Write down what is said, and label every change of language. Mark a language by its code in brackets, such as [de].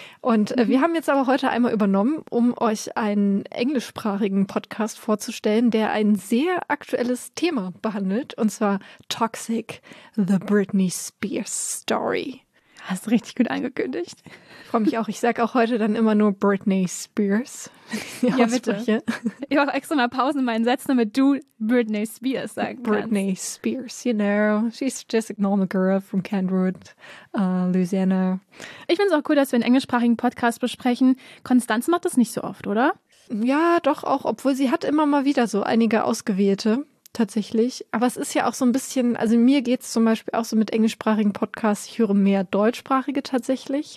[de] Und wir haben jetzt aber heute einmal übernommen, um euch einen englischsprachigen Podcast vorzustellen, der ein sehr aktuelles Thema behandelt, und zwar Toxic, the Britney Spears Story. Hast du richtig gut angekündigt. Freue mich auch. Ich sage auch heute dann immer nur Britney Spears. Ja, bitte. Ich mache extra mal Pausen in meinen Sätzen, damit du Britney Spears sagen kannst. [en] Britney Spears, you know, she's just a normal girl from Kentwood, Louisiana. [de] Ich finde es auch cool, dass wir einen englischsprachigen Podcast besprechen. Konstanze macht das nicht so oft, oder? Ja, doch auch, obwohl sie hat immer mal wieder so einige ausgewählte. Tatsächlich. Aber es ist ja auch so ein bisschen, also mir geht es zum Beispiel auch so mit englischsprachigen Podcasts, ich höre mehr deutschsprachige tatsächlich.